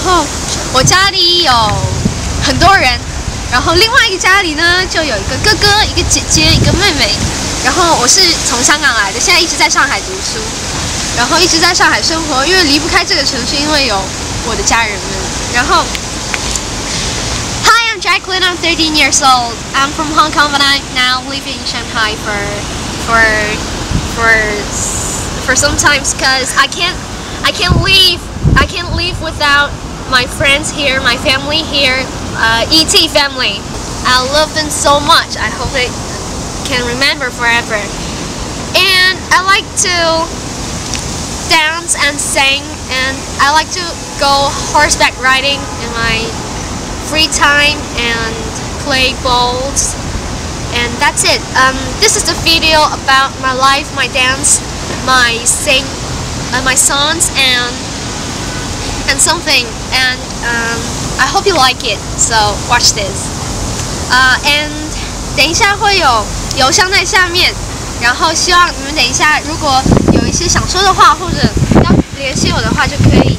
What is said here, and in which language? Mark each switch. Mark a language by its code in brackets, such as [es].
[zh] 然后我家里有很多人，然后另外一个家里呢就有一个哥哥一个姐姐一个妹妹，然后我是从香港来的，现在一直在上海读书，然后一直在上海生活，因为离不开这个城市，因为有我的家人们。然后 [en] Hi, I'm Jacqueline, I'm 13 years old. I'm from Hong Kong, but I now live in Shanghai for some time because I can't leave without my friends here, my family here, ET family. I love them so much. I hope they can remember forever. And I like to dance and sing, and I like to go horseback riding in my free time and play bowls, and that's it. This is the video about my life, my dance, my sing, my songs, and something. And I hope you like it. So watch this. [zh] And 等一下会有邮箱在下面，然后希望你们等一下如果有一些想说的话或者要联系我的话就可以。